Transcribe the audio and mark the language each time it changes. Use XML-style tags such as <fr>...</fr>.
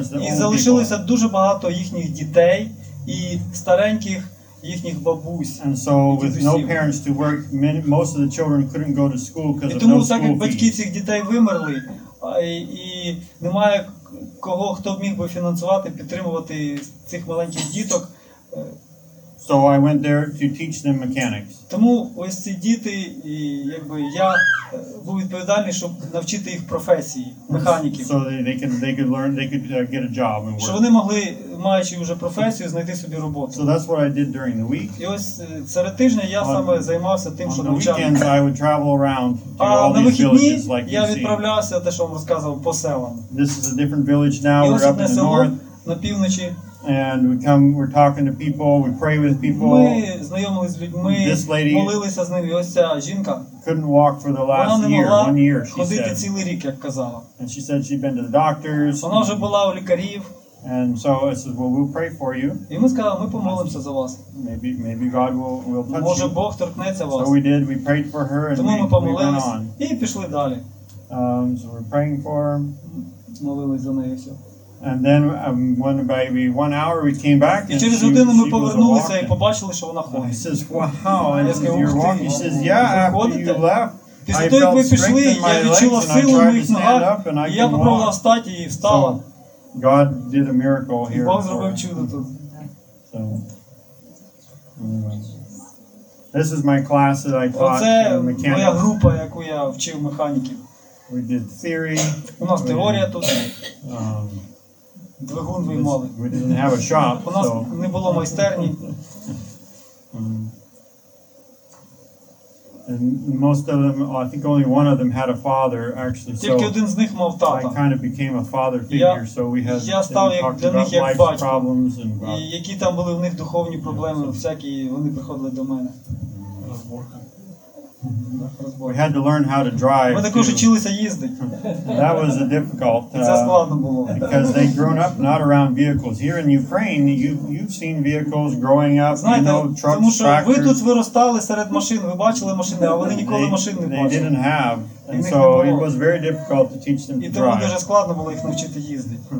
<uk>І залишилося дуже багато їхніх дітей і стареньких їхніх бабусь.</uk> <en>And so with no parents to work, most of the children couldn't go to school because of no school fees.</en> <uk>так, як батьки цих дітей вимерли, і немає кого, хто б міг би фінансувати, підтримувати цих маленьких діток.</uk> <en>So I went there to teach them mechanics.</en> <uk>Тому ось ці діти, і якби я був відповідальний, щоб навчити їх професії механіків.</uk> <en>So they could learn, they could get a job and work.</en> <uk>Щоб вони могли, маючи вже професію, знайти собі роботу.</uk> <en>So that's what I did during the week.</en> <uk>І ось серед тижня я саме займався тим, що навчав.</uk> <en>On the weekends I would travel around to all these villages like you</en> <uk>see. Я відправлявся, те, що вам розказував, по селам.</uk> <en>This is a different village now, we're up in the north.</en> <uk>На півночі.</uk> <en>And we're talking to people, we pray with people.</en> <uk>Ми знайомились з людьми,</uk> <en>this lady</en> <uk>молилися з ними. Ось ця жінка.</uk> <en>Couldn't walk for the last year, 1 year, she</en> <uk>ходити</uk> <en>said.</en> <uk>Цілий рік, як казала.</uk> <en>And she said she'd been to the doctors.</en> <uk>Вона вже була у лікарів.</uk> <en>And so I said, well, we'll pray for you.</en> <uk>І ми сказали, ми помолимося за вас.</uk> <en>Maybe God will touch</en> <uk>Може</uk> <en>you.</en> <uk>Бог торкнеться вас.</uk> <en>So we did, we prayed for her and</en> <uk>Тому</uk> <en>we went on.</en> <uk>І пішли далі.</uk> <en>So we're praying for her.</en> <uk>Молились за неї все.</uk> <en>And then when maybe 1 hour we came back and</en> <uk>через годину ми повернулися і побачили, що вона ходить.</uk> <en>He says, wow, and you're walking. He says, yeah, after you left,</en> <uk>після того, як ми пішли, я відчула силу в моїх ногах, і я попробувала встати і встала.</uk> <en>God did a miracle here.</en> <uk>І Бог зробив чудо тут.</uk> <en>So, this is my class that I taught mechanics.</en> <uk>Моя група, яку я вчив механіків.</uk> <en>We did theory.</en> <uk>У нас теорія тут. Двигун виймали.</uk> <en>We didn't have a shop,</en> <uk>у нас</uk> <en>so.</en> <uk>Не було майстерні.</uk> <en>And most of them, I think only one of them had a father, actually.</en> <uk>Тільки один з них мав тата.</uk> <en>I kind of became a father figure, so we had talked about life's problems.</en> <uk>І які там були в них духовні проблеми, всякі, вони приходили до мене. Розборка.</uk> <en>We had to learn how to drive.</en> <uk>Ми також вчилися їздити.</uk> <en>That was a difficult.</en> <uk>Це складно було.</uk> <en>Because they grown up not around vehicles. Here in Ukraine, you've seen vehicles growing up.</en> <uk>Знаєте,</uk> <en>you know, trucks,</en> <uk>тому що</uk> <en>tractors.</en> <uk>Ви тут виростали серед машин, ви бачили машини, а вони ніколи машин не бачили.</uk> <en>They didn't have. And so it was very difficult to teach them to drive.</en> <uk>І тому дуже складно було їх навчити їздити.</uk>